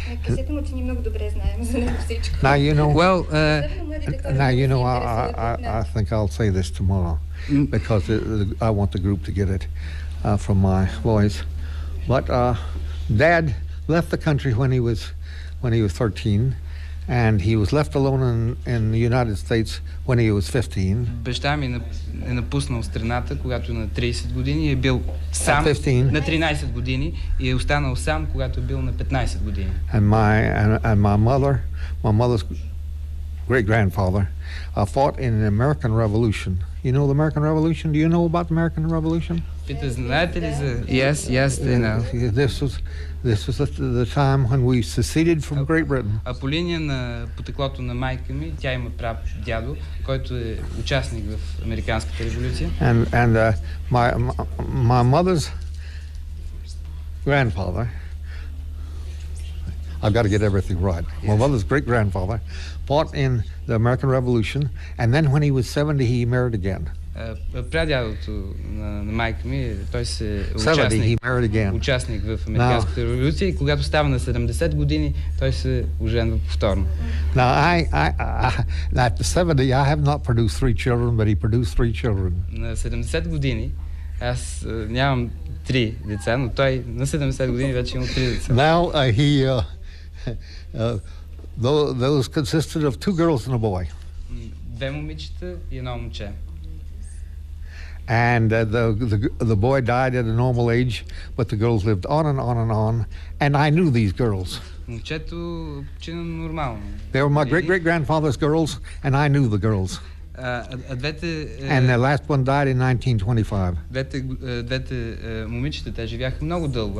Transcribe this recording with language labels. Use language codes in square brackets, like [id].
[bg] Кажете му, че ние много добре знаем за него всичко. [en] Now you know, well, now you know, I think I'll say this tomorrow, because I want the group to get it from my voice. But dad left the country when he was 13, and he was left alone in the United States when he was 15. [bg] Баща ми е напуснал страната, когато на 30 години е бил сам. На 13 години и е останал сам, когато е бил на 15 години. [en] And my mother's great-grandfather fought in the American Revolution. You know the American Revolution? Do you know about the American Revolution? Yes, they know. This was the time when we seceded from Great Britain. [bg] А по линия на потеклото на майка ми, тя има прав дядо, който е участник в американската революция. [en] And my mother's grandfather, I've got to get everything right. Yes. My mother's great-grandfather fought in the American Revolution, and then when he was 70, he married again. [bg] Прадядото на майка ми, той се участник в американската революция, и когато става на 70 години, той се оженва повторно. [en] Now, at the 70, I have not produced three children, but he produced three children. [bg] На 70 години, аз нямам три деца, но той на 70 години вече има три деца. [en] Now, those consisted of two girls and a boy. [bg] Две момичета и едно момче. [en] And the boy died at a normal age, but the girls lived on and on and on, and I knew these girls. [bg] Момчето почина нормално. [en] They were my great-great-grandfather's girls, and I knew the girls. And the last one died in 1925. [bg] Двете момичета, те живяха много дълго.